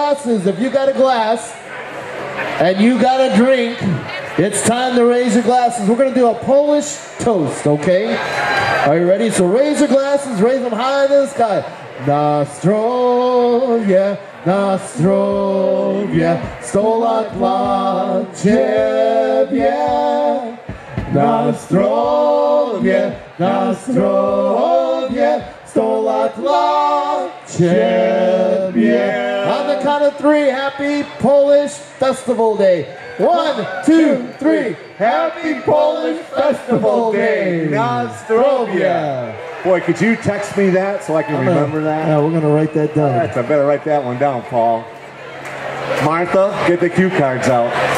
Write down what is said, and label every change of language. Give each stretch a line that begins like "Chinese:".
English: If you got a glass and you got a drink, it's time to raise your glasses. We're going to do a Polish toast, okay? Are you ready? So raise your glasses, raise them high in the sky.
Polish: Na zdrowie, na zdrowie, sto lat dla ciebie. Na zdrowie, na zdrowie, sto lat dla ciebie.
English: On the count of three, happy Polish Festival Day. One, two, three. Happy Polish Festival Day.
Polish: Na zdrowie.
English: Boy, could you text me that so I can remember that? Yeah, we're going to write that down. I better write that one down, Paul. Martha, get the cue cards out.